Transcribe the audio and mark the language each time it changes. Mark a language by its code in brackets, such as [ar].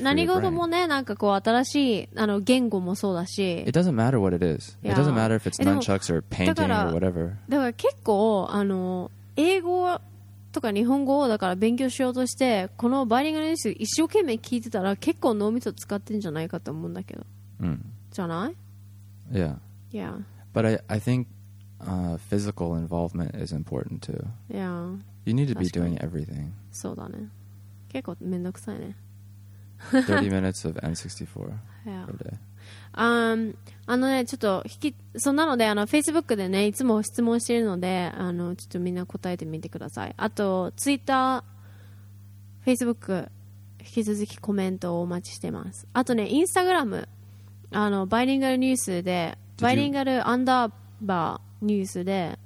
[ja] まあでも何事もね、なんかこう新しいあの言語もそうだし。 [en] It doesn't matter what it is. Yeah. It doesn't matter if it's nunchucks or painting or whatever. [ja] だから結構あの英語とか日本語をだから勉強しようとしてこのバイリンガルニュース一生懸命聞いてたら結構脳みそ使ってんじゃないかと思うんだけど、うん、じゃない [en] Yeah Yeah But I think physical involvement is important too Yeah You need to be doing everything [ja] そうだね結構めんどくさいね [en] 30 minutes of N64 Yeah per day. [ja] あのねちょっと引きそうなのであの Facebook でねいつも質問しているのであのちょっとみんな答えてみてくださいあと Twitter Facebook 引き続きコメントをお待ちしてますあとね Instagram あのバイリンガルニュースでバイリンガルアンダーバーニュースで